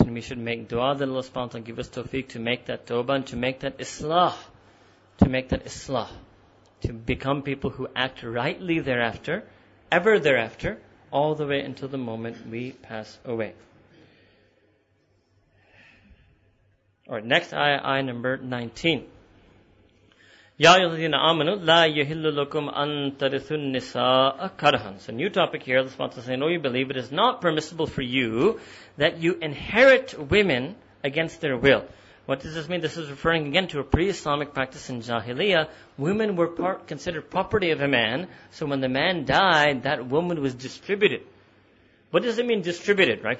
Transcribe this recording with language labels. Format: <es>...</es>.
<en>And we should make dua that Allah subhanahu wa ta'ala give us tawfiq to make that tawbah and to make that islah, to become people who act rightly thereafter, ever thereafter, all the way until the moment we pass away. Alright, next ayah number 19.</en> <ar>يَا يَلَّذِينَ آمَنُوا لَا يَهِلُّ لَكُمْ أَن تَرِثُوا النِّسَاءَ كَرْهًا.</ar> <en>It's a new topic here. The sponsor saying, oh, you believe it is not permissible for you that you inherit women against their will. What does this mean? This is referring again to a pre-Islamic practice in Jahiliyyah. Women were considered property of a man. So when the man died, that woman was distributed. What does it mean distributed, right?</en>